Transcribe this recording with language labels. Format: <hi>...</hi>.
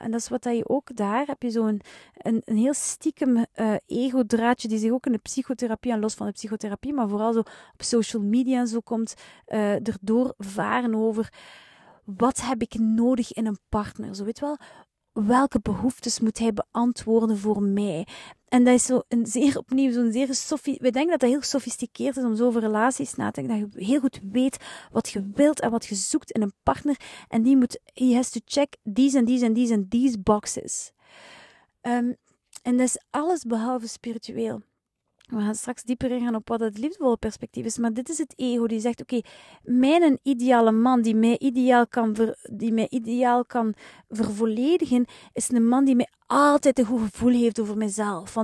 <nl>En dat is wat je ook daar, heb je zo'n een heel stiekem ego-draadje die zich ook in de psychotherapie, en los van de psychotherapie, maar vooral zo op social media en zo komt, erdoor varen over wat heb ik nodig in een partner. Zo weet wel, welke behoeftes moet hij beantwoorden voor mij? En dat is zo een zeer opnieuw, zo'n zeer we denken dat dat heel gesofisticeerd is om zo over relaties na te denken. Dat je heel goed weet wat je wilt en wat je zoekt in een partner. En die moet,</nl> <en>he has to check these and these and these and these boxes.</en> <nl>En dat is alles behalve spiritueel. We gaan straks dieper ingaan op wat het liefdevolle perspectief is. Maar dit is het ego die zegt, oké, mijn ideale man die mij ideaal kan vervolledigen, is een man die mij altijd een goed gevoel heeft over mezelf.</nl>